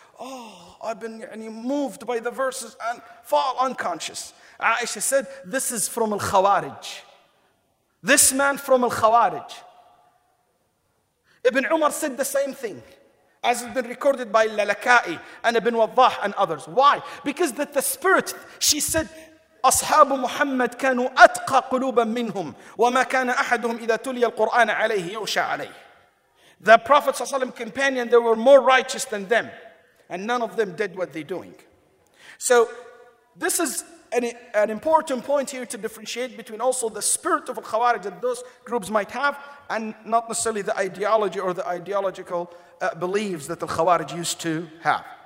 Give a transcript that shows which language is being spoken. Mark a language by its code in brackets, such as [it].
[en] Oh, I've been moved by the verses and fall unconscious. Aisha said, this is from al-Khawarij. This man from al-Khawarij. Ibn Umar said the same thing, as has been recorded by Lalaka'i and Ibn Waddah and others. Why? Because that the spirit, she said, [ar] أصحاب محمد كانوا أتقى قلوبا منهم وما كان أحدهم إذا تلي القرآن عليه يوشى عليه. [en] The Prophet ﷺ companion, they were more righteous than them, and none of them did what they're doing. So this is an important point here to differentiate between also the spirit of al-Khawarij that those groups might have, and not necessarily the ideology or the ideological beliefs that al-Khawarij used to have.